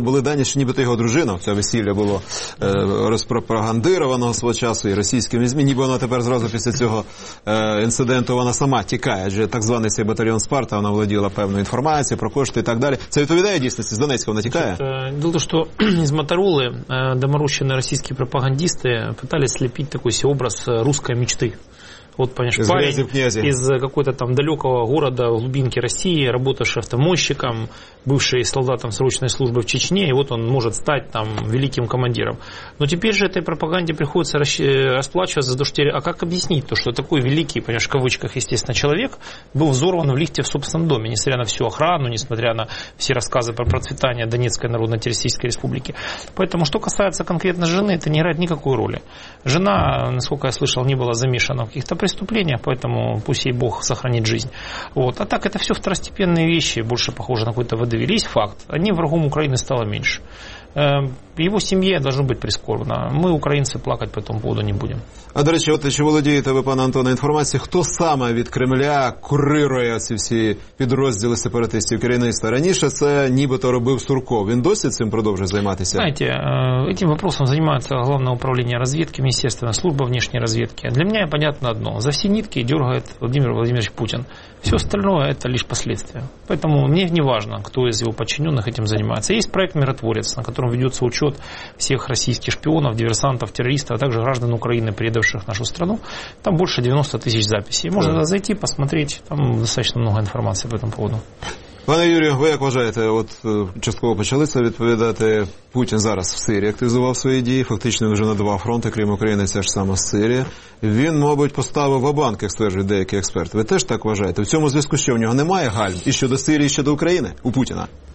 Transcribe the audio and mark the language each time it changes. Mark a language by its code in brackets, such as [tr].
[uk] Були дані, що нібито його дружина, це весілля було розпропагандировано свого часу і російськими ЗМІ, ніби вона тепер зразу після цього інциденту вона сама тікає, адже так званий цей батальйон «Спарта», вона володіла певною інформацією про кошти і так далі. Це відповідає дійсності? З Донецька вона тікає? Дело, що з Моторола доморощені російські пропагандисти пытались сліпити такий образ русской мечты. [ru] Вот, понимаешь, из парень грязи, из какого-то там далекого города в глубинке России, работавший автомойщиком, бывший солдатом срочной службы в Чечне, и вот он может стать там великим командиром. Но теперь же этой пропаганде приходится расплачиваться за то, что... А как объяснить то, что такой великий, понимаешь, в кавычках, естественно, человек был взорван в лифте в собственном доме, несмотря на всю охрану, несмотря на все рассказы про процветание Донецкой Народно-Террористической Республики. Поэтому, что касается конкретно жены, это не играет никакой роли. Жена, насколько я слышал, не была замешана в каких-то преступлениях, поэтому пусть ей Бог сохранит жизнь. Вот. А так, это все второстепенные вещи, больше похоже на какой-то довелись, факт, они врагом Украины стало меньше. Его семье должно быть прискорбно. Мы, украинцы, плакать по этому поводу не будем. [uk] А, до речі, от, чи володієте ви, пане Антоне, інформацією, хто саме від Кремля курирує ці всі підрозділи сепаратистів керівництва? Раніше це нібито робив Сурко. Він досі цим продовжує займатися? Знаєте, [ru] этим вопросом занимается Главное управление разведки, Министерство, служба внешней разведки. Для меня понятно одно. За все нитки дергает Владимир Владимирович Путин. Все остальное – это лишь последствия. Поэтому мне не важно, кто из его подчиненных этим занимается. Есть проект «Миротворец», на котором ведется учет всех российских шпионов, диверсантов, террористов, а также граждан Украины, предавших нашу страну. Там больше 90 тысяч записей. Можно зайти, посмотреть. Там достаточно много информации по этому поводу. [uk] Пане Юрію, ви як вважаєте, от частково почали це відповідати, Путін зараз в Сирії активізував свої дії, фактично вже на два фронти, крім України, це ж саме Сирія. Він, мабуть, поставив ва-банк, як стверджують деякі експерти. Ви теж так вважаєте? В цьому зв'язку що, в нього немає гальм і щодо Сирії, і щодо України у Путіна?